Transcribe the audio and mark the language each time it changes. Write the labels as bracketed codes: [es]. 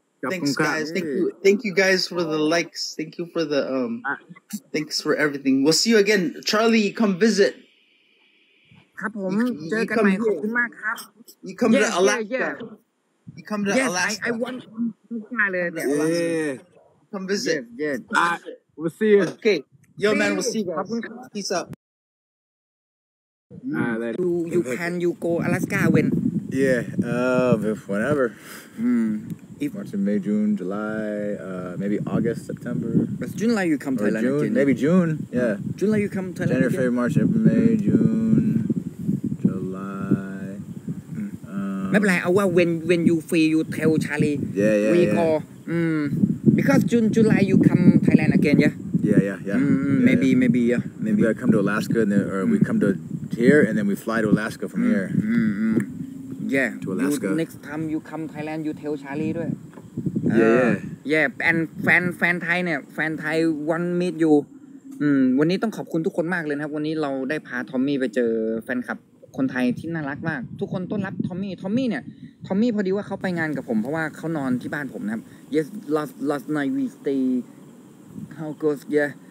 [en] Thank you guys for the likes Thank you for the Thanks for everything We'll see you again Charlie come visit [th] ครับผมเจอกันใหม่ขอบคุณมากครับ [en] You come to Alaska You come to Alaska I want to come to Alaska Come visit Yeah We'll see you Okay Yo man we'll see you guys Peace out You go Alaska when Yeah whenever If March, May, June, July, maybe August, September. But June, like you come to Thailand. June, maybe June. Yeah. June, like you come to Thailand. January, February, March, April, May, June, July. Not like our when you free, you tell Charlie. Yeah. We call. Because June, July, you come Thailand again. Yeah. Yeah. Maybe. Yeah. Maybe I come to Alaska and then, or we come to here and then we fly to Alaska from here. Yeah. To Alaska. Next time you come Thailand, you tell Charlie too. Yeah. And fan Thai, fan Thai want meet you. [th] วันนี้ต้องขอบคุณทุกคนมากเลยครับวันนี้เราได้พาทอมมี่ไปเจอแฟนคลับคนไทยที่น่ารักมากทุกคนต้อนรับทอมมี่ทอมมี่พอดีว่าเขาไปงานกับผมเพราะว่าเขานอนที่บ้านผมนะครับ [en] Yes last night we stay how goes [th] yeah.